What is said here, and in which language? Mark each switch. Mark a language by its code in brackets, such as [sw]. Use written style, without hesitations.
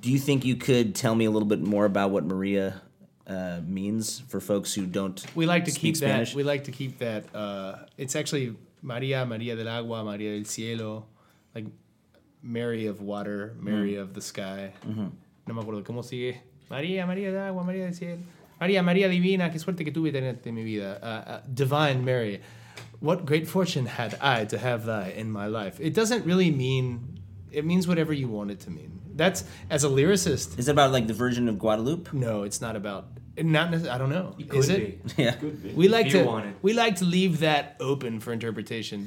[en] Do you think you could tell me a little bit more about what Maria means for folks who don't We like to speak keep Spanish? That. We like to keep that. It's actually Maria, Maria del Agua, Maria del Cielo. Like Mary of water, Mary of the sky. Mm-hmm. [es] No me acuerdo cómo sigue. María, María de agua, María del cielo. María, María divina, qué suerte que tuve tenerte en mi vida. [en] Divine Mary, what great fortune had I to have thy in my life. It doesn't really mean, it means whatever you want it to mean. That's, as a lyricist. Is it about like the Virgin of Guadalupe? No, it's not about Not necessarily. I don't know. Is it? Yeah. We like to leave that open for interpretation.